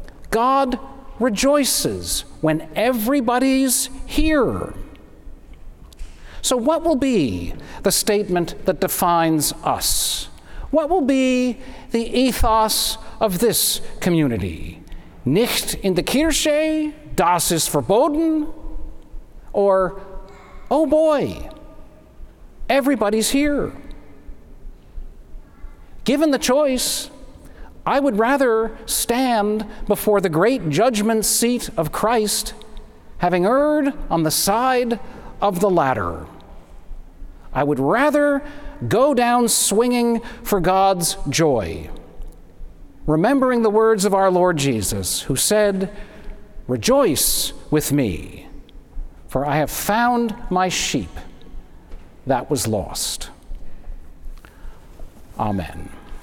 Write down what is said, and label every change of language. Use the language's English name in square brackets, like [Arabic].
[English] God rejoices when everybody's here. So what will be the statement that defines us? What will be the ethos of this community? [German] Nicht in der Kirche, das ist verboten, [English] or, oh boy, everybody's here. Given the choice, I would rather stand before the great judgment seat of Christ, having erred on the side of the ladder. I would rather go down swinging for God's joy, remembering the words of our Lord Jesus, who said, "Rejoice with me, for I have found my sheep that was lost." Amen.